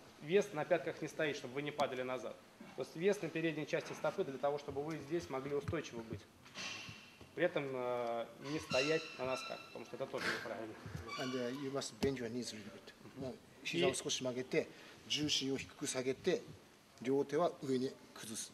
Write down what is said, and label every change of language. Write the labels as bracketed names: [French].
[Russian] вес на пятках не стоит, чтобы вы не падали назад. То есть вес на передней части стопы для того, чтобы вы здесь могли устойчиво быть. При этом не стоять на носках, потому что это тоже неправильно. [English] And you must bend your knees a little bit. Mm-hmm. [Japanese] 膝を少し曲げて, 重心を低く下げて, 両手は上に崩す.